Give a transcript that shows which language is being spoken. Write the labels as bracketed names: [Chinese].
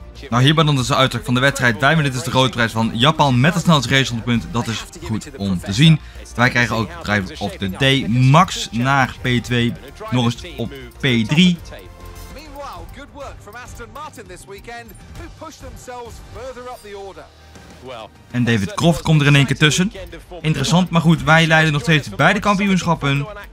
[Dutch] Nou, hierbij dan dus de uitdruk van de wedstrijd. Duimen, dit is de grote prijs van Japan met het snelste racehonderdpunt. Dat is goed om te zien. Wij krijgen ook drive of the day. Max naar P2. Nog eens op P3. [English] Meanwhile, good work from Aston Martin this weekend, who pushed themselves further up the order. [Dutch] En David Croft komt er in één keer tussen. Interessant, maar goed, wij leiden nog steeds beide kampioenschappen.